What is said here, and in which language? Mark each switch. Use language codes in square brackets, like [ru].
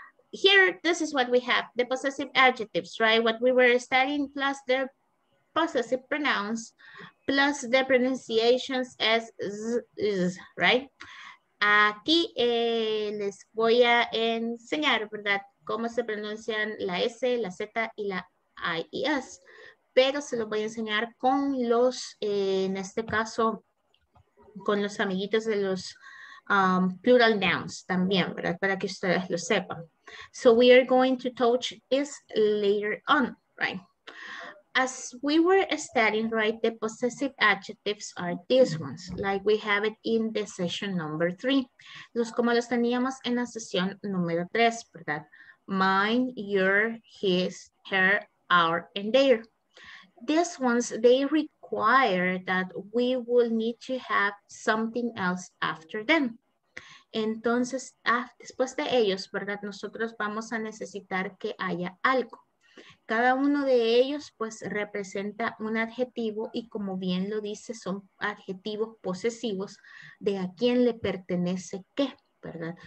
[en] Here, this is what we have, the possessive adjectives, right? What we were studying plus the possessive pronouns plus the pronunciations as z, right? [es] Aquí les voy a enseñar, ¿verdad? Cómo se pronuncian la S, la Z y la I y S. Pero se los voy a enseñar con los, en este caso, con los amiguitos de los plural nouns también, ¿verdad? Para que ustedes lo sepan. [en] So we are going to touch this later on, right? As we were studying, right, the possessive adjectives are these ones, like we have it in the session number 3. [es] Los como los teníamos en la sesión número 3, ¿verdad? [en] Mine, your, his, her, our, and their. These ones, they require that we will need to have something else after them. [es] Entonces, después de ellos, ¿verdad? Nosotros vamos a necesitar que haya algo. cada uno de ellos pues representa un adjetivo y como bien lo dice, son adjetivos posesivos de a quién le pertenece qué, ¿verdad?